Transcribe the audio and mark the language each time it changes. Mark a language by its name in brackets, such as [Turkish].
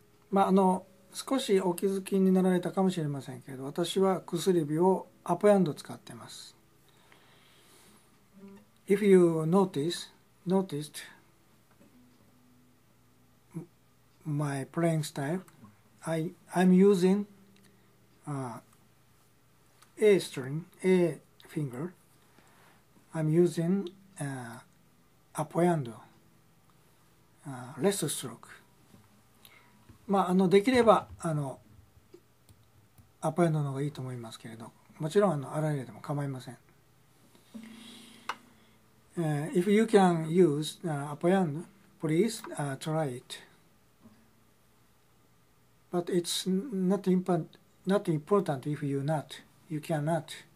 [Japanese] まあ、少しお気づきになられたかもしれませんけど、私は薬指をアポヤンド使っています。 [English] If you noticed my playing style, I'm using A string, A finger. I'm using appoyando, rest stroke. [Japanese] まあ、できればアポヤンドの方がいいと思いますけれど、もちろんアラレでも構いません。 [English] If you can use appoyando, please try it. But it's not important if you not, you cannot.